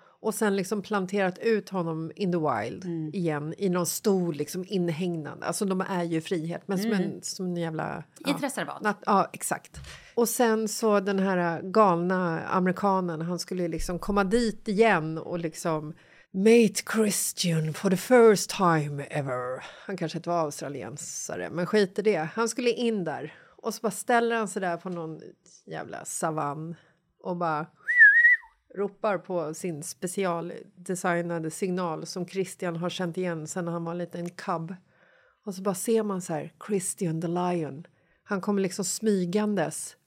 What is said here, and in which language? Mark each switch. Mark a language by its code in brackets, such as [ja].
[sv] Och sen liksom planterat ut honom [en] in the wild [sv] igen. I någon stor liksom inhägnad. Alltså de är ju frihet. Men som en jävla... I ett reservat. Ja, exakt. Och sen så den här galna amerikanen. Han skulle liksom komma dit igen. Och liksom... [en] Mate Christian for the first time ever. [sv] Han kanske inte var australiensare. Men skit i det. Han skulle in där. Och så bara ställer han sig där på någon jävla savann. Och bara... ropar på sin specialdesignade signal som Christian har känt igen sen han var en liten cub. Och så bara ser man så här, Christian the Lion. Han kommer liksom smygandes.